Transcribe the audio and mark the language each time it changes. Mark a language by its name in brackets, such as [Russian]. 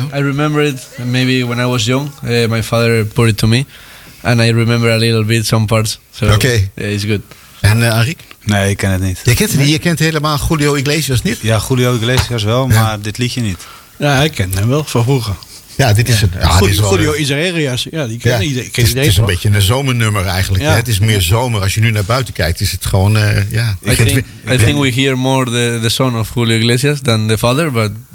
[English] I remember it, maybe when I was young. My father put it to me. And I remember a little bit some parts. So, okay. Yeah, it's good. [Dutch] En Henrik? Nee, ik ken het niet. Je kent het niet? Je kent helemaal Julio Iglesias niet? Ja, Julio Iglesias wel, ja. Maar dit liedje niet. Ja, ik ken hem wel, van vroeger. Ja, dit is een... Julio Iglesias, ja, die ken ik niet. Het is een beetje een zomernummer eigenlijk. Ja. Ja, het is meer zomer. Als je nu naar buiten kijkt, is het gewoon... [English] I think we hear more the son of Julio Iglesias than the father, but...